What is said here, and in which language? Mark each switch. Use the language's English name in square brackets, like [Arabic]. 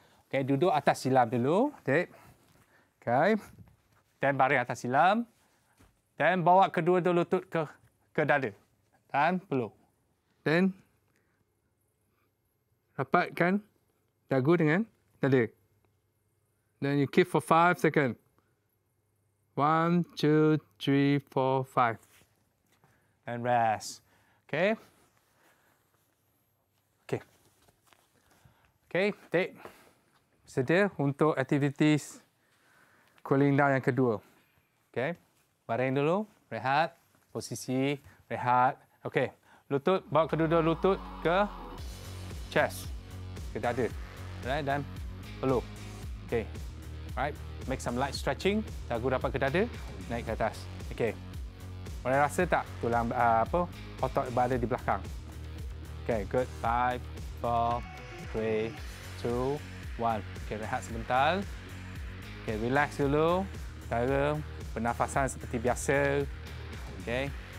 [Malay] Okay, duduk atas silam dulu. Okay. Then baring atas silam. Then bawa kedua-dua lutut ke dada. Dan peluk. Then rapatkan dagu dengan dada. [English] Then you keep for 5 seconds. 1, 2, 3, 4, 5. And rest. Okay. [Malay] Okay. Okay. Tak sedia untuk aktiviti cooling down yang kedua. Okay. Baring dulu. Rehat. Posisi. Rehat. Okay. Lutut. Bawa kedua-dua lutut ke chest. Ke dada. Right. Dan peluk. Okay. Right. [English] Make some light stretching. [Malay] Dagu dapat ke dada, naik ke atas. Okey. Boleh rasa tak tulang apa otot berada di belakang? Okey, good. 5, 4, 3, 2, 1. Okey, rehat sebentar. Okey, relax dulu. Cara pernafasan seperti biasa. Okey.